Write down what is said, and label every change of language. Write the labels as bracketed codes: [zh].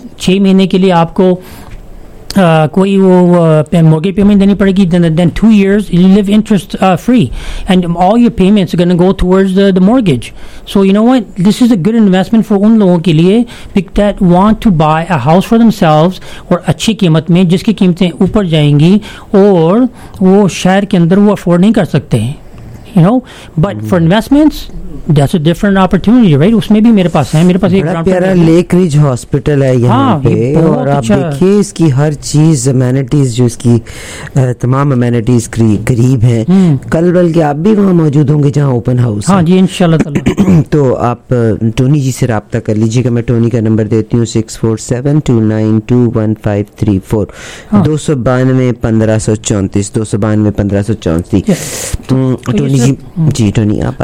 [hi] 6 महीने के लिए आपको कोई वो मॉर्गेज पेमेंट देनी पड़ेगी, [en] Then 2 years you live interest free, and all your payments are going go towards the mortgage. So you know what, this is a good investment for [hi] उन लोगों के लिए [en] that want to buy a house for themselves, [hi] और अच्छी कीमत में, जिसकी कीमतें ऊपर जाएंगी और वो शहर के अंदर वो अफोर्ड नहीं कर सकते हैं. [en] You know, but for investments, that's a different opportunity, right? [hi] उसमें भी मेरे पास है, मेरे पास एक बड़ा प्यारा लेक रिज हॉस्पिटल है यहाँ पे, और आप देखिए इसकी हर चीज, अमेनिटीज जो इसकी तमाम अमेनिटीज करीब है. कल बल्कि आप भी वहाँ मौजूद होंगे जहाँ ओपन हाउस. हाँ जी, इंशाल्लाह ताला. तो आप टोनी जी से राबता कर लीजिएगा. मैं टोनी का नंबर देती हूँ 647-292-1534 जी टोनी. आप